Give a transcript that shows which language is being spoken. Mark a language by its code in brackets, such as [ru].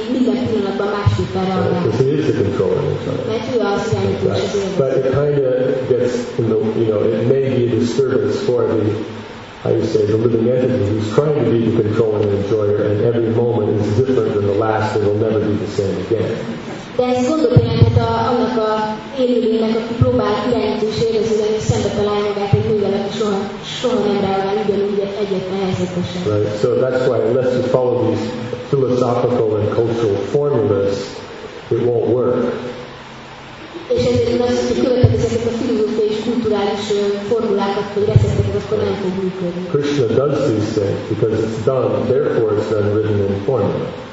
[en] Because he is the controlling exactly. But it kind of gets, it may be a disturbance for the, how you say, the living entity who's trying to be the controlling enjoyer, and every moment is different than the last and will never be the same again. [hu] De ez gondot jelenthet annak a élőlénynek, aki próbál irányítani és érezni, hogy szembe találja magát egy nővel, aki soha nem reagál ugyanúgy egyetlen helyzetben sem. [en] Right, so that's why unless you follow these philosophical and cultural formulas, it won't work. [hu] És ezért az, hogy követed ezeket a filozófiai és kulturális formulákat, vagy recepteket, akkor nem fog működni. [en] Krishna does these things because it's done, therefore it's then written in formula.